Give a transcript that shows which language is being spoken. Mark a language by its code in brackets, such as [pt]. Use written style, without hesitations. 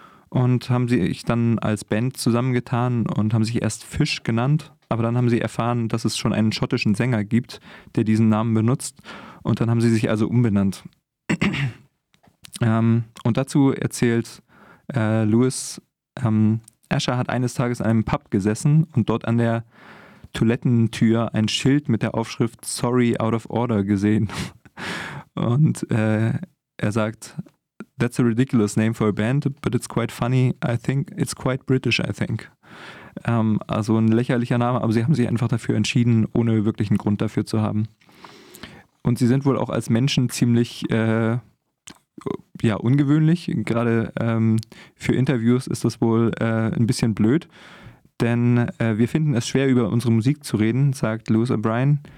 [de] Und haben sich dann als Band zusammengetan und haben sich erst Fish genannt, aber dann haben sie erfahren, dass es schon einen schottischen Sänger gibt, der diesen Namen benutzt und dann haben sie sich also umbenannt. Und dazu erzählt Louis, Asher hat eines Tages in einem Pub gesessen und dort an der Toilettentür ein Schild mit der Aufschrift [en] Sorry out of order [de] gesehen. Und er sagt, [en] that's a ridiculous name for a band, but it's quite funny, I think, it's quite British, I think. [de] Also ein lächerlicher Name, aber sie haben sich einfach dafür entschieden, ohne wirklich einen Grund dafür zu haben. Und sie sind wohl auch als Menschen ziemlich ungewöhnlich, gerade für Interviews ist das wohl ein bisschen blöd, denn wir finden es schwer, über unsere Musik zu reden, sagt Louis O'Brien.